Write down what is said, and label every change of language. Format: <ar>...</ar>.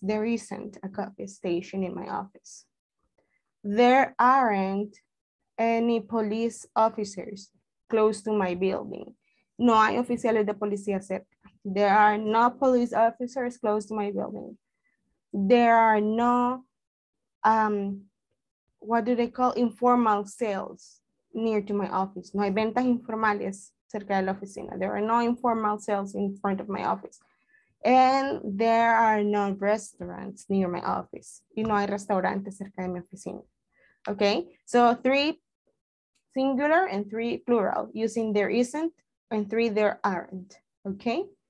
<en>There isn't a coffee station in my office. There aren't any police officers close to my building.</en> <es>No hay oficiales de policía cerca.</es> <en>There are no police officers close to my building. There are no, what do they call, informal sales near to my office.</en> <es>No hay ventas informales cerca de la oficina.</es> <en>There are no informal sales in front of my office. And there are no restaurants near my office.</en> <es>Y no hay restaurantes cerca de mi oficina.</es> <en>Okay, so three singular and three plural, using there isn't and three there aren't, okay?</en>